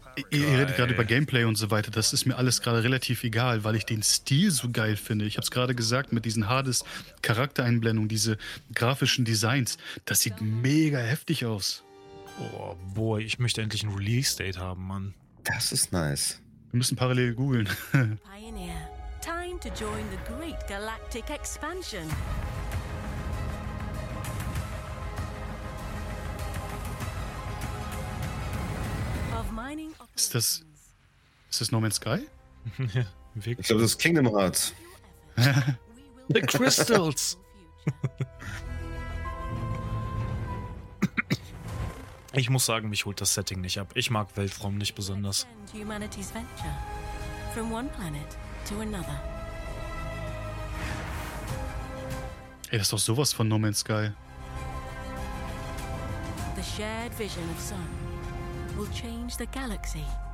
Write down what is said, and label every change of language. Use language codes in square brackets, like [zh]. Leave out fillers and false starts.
[de] Ihr redet gerade über Gameplay und so weiter. Das ist mir alles gerade relativ egal, weil ich den Stil so geil finde. Ich habe es gerade gesagt, mit diesen Hades-Charaktereinblendungen, diese grafischen Designs. Das sieht mega heftig aus. Oh boy, ich möchte endlich ein Release-Date haben, Mann. Das ist nice. Wir müssen parallel googeln. [en] Pioneer, time to join the great galactic expansion. [de] Ist das No Man's Sky? Ich glaube, das ist Kingdom Hearts. [en] The Crystals! [de] Ich muss sagen, mich holt das Setting nicht ab. Ich mag Weltraum nicht besonders. Ey, das ist doch sowas von No Man's Sky. [en] The shared vision of some will change the galaxy.